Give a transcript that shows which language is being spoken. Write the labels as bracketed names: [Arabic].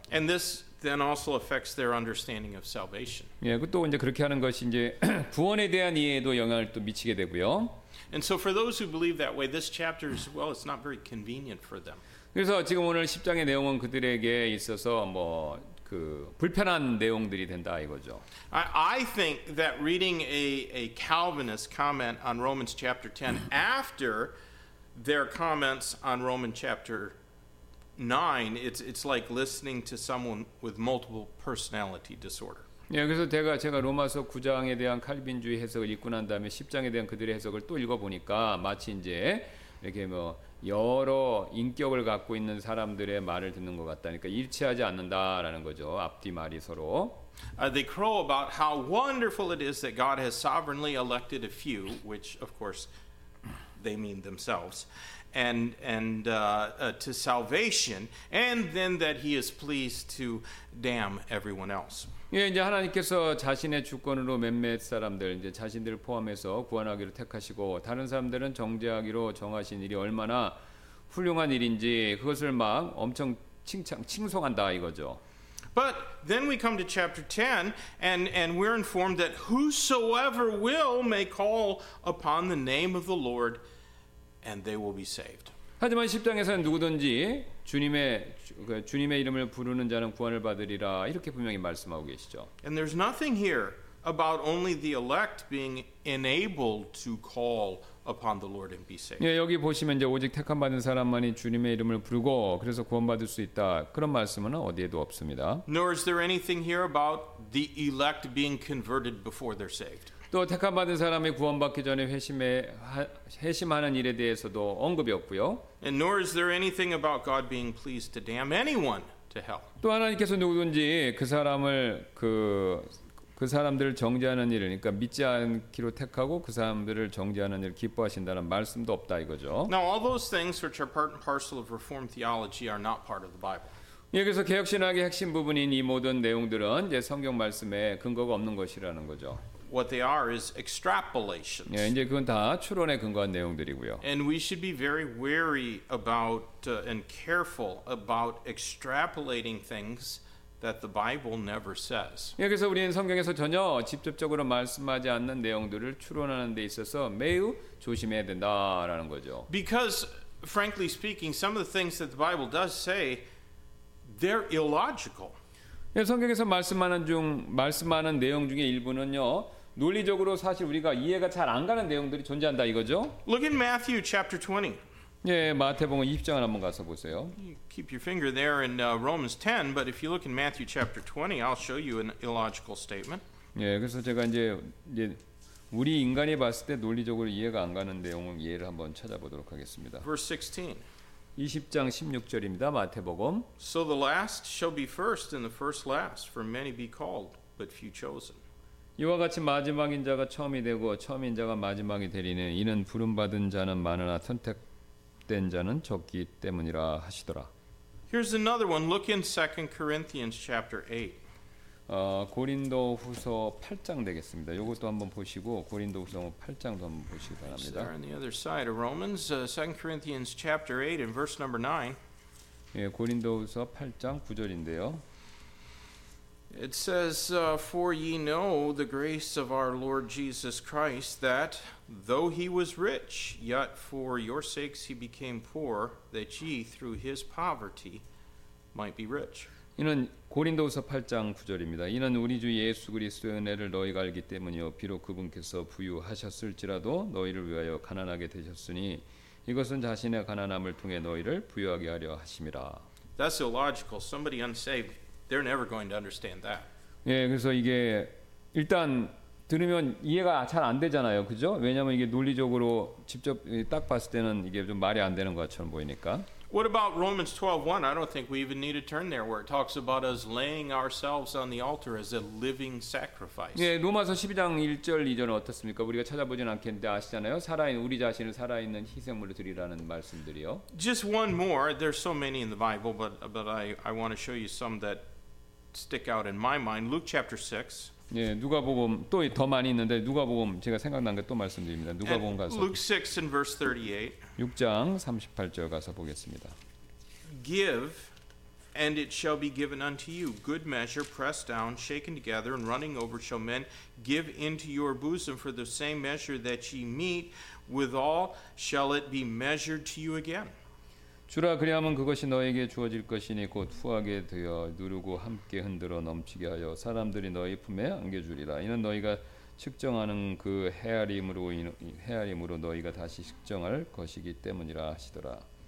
[English] And this then also affects their understanding of salvation. [Korean] 예, 그 또 이제 그렇게 하는 것이 이제 구원에 대한 이해에도 영향을 또 미치게 되고요. [English] And so for those who believe that way, this chapter is well, it's not very convenient for them. [Korean] 그래서 지금 오늘 10장의 내용은 그들에게 있어서 뭐 그 불편한 내용들이 된다 이거죠. [English] I think that reading a Calvinist comment on Romans chapter 10 after their comments on Romans chapter 9, it's like listening to someone with multiple personality disorder. [Korean] 예, 그래서 제가 로마서 9장에 대한 칼빈주의 해석을 읽고 난 다음에 10장에 대한 그들의 해석을 또 읽어보니까 마치 이제 이렇게 뭐 여러 인격을 갖고 있는 사람들의 말을 듣는 것 같다니까 일치하지 않는다라는 거죠. 앞뒤 말이 서로. [English] They crow about how wonderful it is that God has sovereignly elected a few, which of course they mean themselves, and to salvation, and then that he is pleased to damn everyone else. [Korean] 예, 이제 하나님께서 자신의 주권으로 몇몇 사람들 이제 자신들을 포함해서 구원하기로 택하시고 다른 사람들은 정죄하기로 정하신 일이 얼마나 훌륭한 일인지 그것을 막 엄청 칭송한다 이거죠. [English] But then we come to chapter 10 and we're informed that whosoever will may call upon the name of the Lord and they will be saved. [Korean] 하지만 10장에서는 누구든지 주님의 이름을 부르는 자는 구원을 받으리라 이렇게 분명히 말씀하고 계시죠. [English] And there's nothing here about only the elect being enabled to call upon the Lord and be saved. [Korean] 예, 여기 보시면 이제 오직 택함 받은 사람만이 주님의 이름을 부르고 그래서 구원받을 수 있다. 그런 말씀은 어디에도 없습니다. [English] Nor is there anything here about the elect being converted before they're saved. [Korean] 또 택함 받은 사람이 구원받기 전에 회심하는 일에 대해서도 언급이 없고요. [English] And nor is there anything about God being pleased to damn anyone to hell. [Korean] 또 하나님께서 누구든지 그 사람을 그 사람들을 정죄하는 일을, 그러니까 믿지 않기로 택하고 그 사람들을 정죄하는 일을 기뻐하신다는 말씀도 없다 이거죠. [English] Now all those things which are part and parcel of Reformed theology are not part of the Bible. [Korean] 여기서 개혁신학의 핵심 부분인 이 모든 내용들은 이제 성경 말씀에 근거가 없는 것이라는 거죠. [English] What they are is extrapolations. [Korean] 예, 이제 그건 다 추론에 근거한 내용들이고요. [English] And we should be very wary about and careful about extrapolating things that the Bible never says. [Korean] 여기서 우리는 성경에서 전혀 직접적으로 말씀하지 않는 내용들을 추론하는 데 있어서 매우 조심해야 된다라는 거죠. [English] Because frankly speaking, some of the things that the Bible does say, they're illogical. [Korean] 예, 성경에서 말씀하는 내용 중에 일부는요, 논리적으로 사실 우리가 이해가 잘 안 가는 내용들이 존재한다 이거죠. [English] Look in Matthew chapter 20. [Korean] 예, 마태복음 20장을 한번 가서 보세요. [English] Keep your finger there in Romans 10, but if you look in Matthew chapter 20, I'll show you an illogical statement. [Korean] 예, 그래서 제가 이제 우리 인간이 봤을 때 논리적으로 이해가 안 가는 내용을 이해를 한번 찾아보도록 하겠습니다. [English] Verse 16. [Korean] 20장 16절입니다. 마태복음. [English] So the last shall be first and the first last, for many be called, but few chosen. [Korean] 이와 같이 마지막인 자가 처음이 되고 처음인 자가 마지막이 되리니 이는 부름 받은 자는 많으나 선택된 자는 적기 때문이라 하시더라. [English] Here's another one. Look in 2 Corinthians chapter 8. [Korean] 고린도후서 8장 되겠습니다. 이것도 한번 보시고 고린도후서 8장도 한번 보시기 바랍니다. [English] It's there on the other side of Romans, 2 Corinthians chapter 8 and verse number 9. [Korean] 예, 고린도후서 8장 9절인데요. [English] It says, "For ye know the grace of our Lord Jesus Christ, that though he was rich, yet for your sakes he became poor, that ye through his poverty might be rich." [Korean] 이는 고린도후서 8장 9절입니다. 이는 우리 주 예수 그리스도의 은혜를 너희가 알기 때문이요 비록 그분께서 부유하셨을지라도 너희를 위하여 가난하게 되셨으니 이것은 자신의 가난함을 통해 너희를 부유하게 하려 하심이라. [English] That's illogical. Somebody unsaved, they're never going to understand that. [Korean] 예, 그래서 이게 일단 들으면 이해가 잘 안 되잖아요, 그죠? 왜냐하면 이게 논리적으로 직접 딱 봤을 때는 이게 좀 말이 안 되는 것처럼 보이니까. [English] What about Romans 12:1? I don't think we even need to turn there, where it talks about us laying ourselves on the altar as a living sacrifice. [Korean] 예, 로마서 12장 1절 2절은 어떻습니까? 우리가 찾아보진 않겠는데 아시잖아요. 살아있는 우리 자신을 살아있는 희생물로 드리라는 말씀들이요. [English] Just one more. There's so many in the Bible, but I want to show you some that stick out in my mind. Luke chapter 6. [Korean] 예, 누가복음 또 더 많이 있는데 누가복음 제가 생각난 게 또 말씀드립니다. 누가복음 가서 [English] Luke 6 and verse 38. [Korean] 6장 38절 가서 보겠습니다. [English] Give and it shall be given unto you. Good measure, pressed down, shaken together and running over shall men give into your bosom, for the same measure that ye meet withal shall it be measured to you again. [Korean] 주라 그리하면 그것이 너에게 주어질 것이니 곧 후하게 되어 누르고 함께 흔들어 넘치게 하여 사람들이 너희 품에 안겨주리라. 이는 너희가 측정하는 그 헤아림으로 너희가 다시 측정할 것이기 때문이라 하시더라.